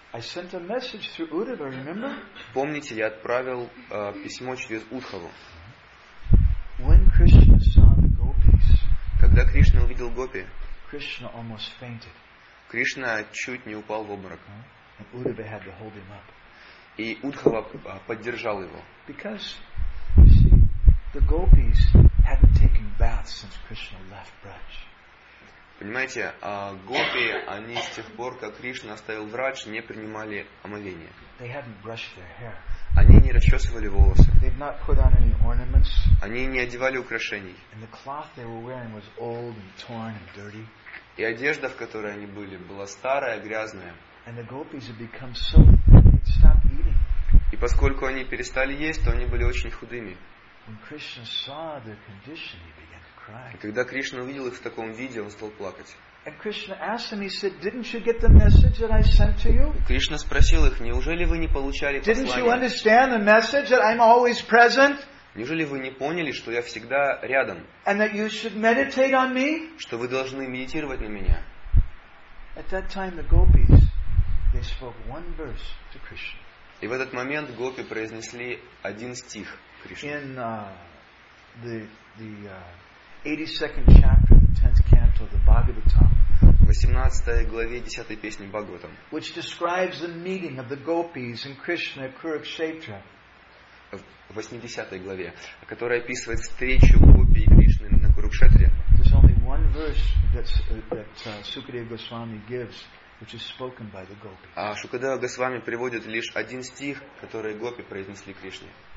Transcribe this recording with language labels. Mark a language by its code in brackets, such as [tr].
[en] I sent a message through Uddhava, remember? [ru] Помните, я отправил письмо через Удхаву. [en] When Krishna saw the gopis, [ru] когда Кришна увидел гопи, [en] Krishna almost fainted. [ru] Кришна чуть не упал в обморок. [en] And Uddhava had to hold him up. [ru] И Удхава поддержал его. [en] Because, you see, the gopis hadn't taken baths since Krishna left Braj. [ru] Понимаете, гопи, они с тех пор, как Кришна оставил Врадж, не принимали омовения. [en] They hadn't brushed their hair. [ru] Они не расчесывали волосы. [en] They'd not put on any ornaments. [ru] Они не одевали украшений. [en] And the cloth they were wearing was old and torn and dirty. [ru] И одежда, в которой они были, была старая, грязная. [en] And the gopis had become so thin they'd stopped eating. [ru] И поскольку они перестали есть, то они были очень худыми. [en] When Krishna saw their condition, he began to cry. [ru] И когда Кришна увидел их в таком виде, он стал плакать. [en] And Krishna asked him, he said, "Didn't you get the message that I sent to you?" [ru] Кришна спросил их: "Неужели вы не получали послание?" [en] Didn't you understand the message that I'm always present? [ru] Неужели вы не поняли, что я всегда рядом? [en] And that you should meditate on me? [ru] Что вы должны медитировать на меня? [en] At that time, the gopis, they spoke one verse to Krishna. [ru] И в этот момент гопи произнесли один стих Кришне. [en] In the 82nd chapter, the 10th canto of the Bhagavatam. [ru] 18 главе 10 песни Бхагаватам. [en] Which describes the meeting of the gopis and Krishna at Kurukshetra. [ru] В 80 главе, которая описывает встречу гопи и Кришны на Курукшетре. [en] There's only one verse that Sukadeva Goswami gives. Which is spoken by the gopis. [ru] А Шукадева Госвами приводит лишь один стих, который гопи произнесли Кришне.